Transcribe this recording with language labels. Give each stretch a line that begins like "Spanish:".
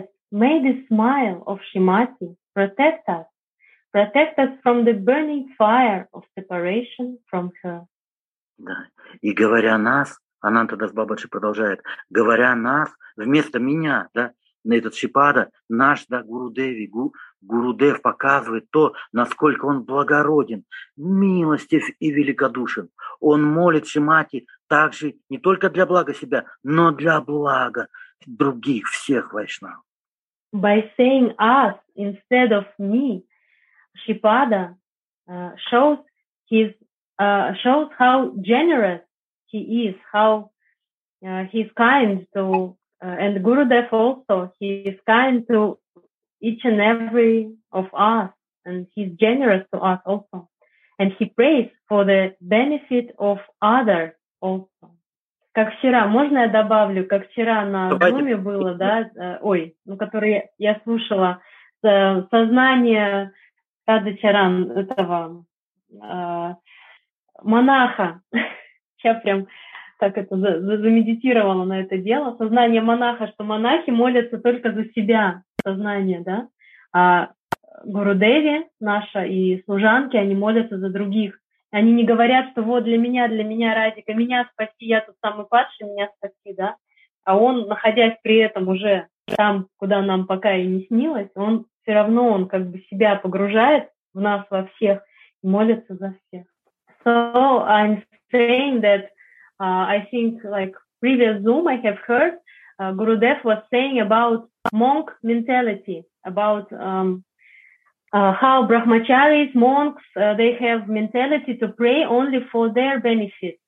English: May the smile of Shrimati protect us from the burning fire of separation from her.
Russian: Да. И говоря нас, Ананта Дас Бабаджи продолжает, говоря нас, вместо меня, да, на этот Шипада, наш, да, Гуру Деви, Гурудев показывает то, насколько он благороден, милостив и великодушен. Он молит Шимати также не только для блага себя, но для блага других всех вайшнав.
English: By saying us instead of me, Шипада shows how generous he is, how he's kind to and Gurudev also, he is kind to each and every of us, and he's generous to us also. And he prays for the benefit of others also.
Russian: Как вчера, можно я добавлю, как вчера на доме было, да, ой, ну, который я слушала, сознание Радхачаран, этого монаха, я прям так это замедитировала на это дело, сознание монаха, что монахи молятся только за себя, сознание, да, а Гурудеви наша и служанки, они молятся за других. Они не говорят, что вот для меня, Радика, меня спаси, я тут самый падший, меня спаси, да. А он, находясь при этом уже там, куда нам пока и не снилось, он все равно, он как бы себя погружает в нас во всех и молится за всех.
English: So I'm saying that I think like previous Zoom I have heard Gurudev was saying about monk mentality, about how brahmacharis, monks, they have mentality to pray only for their benefit.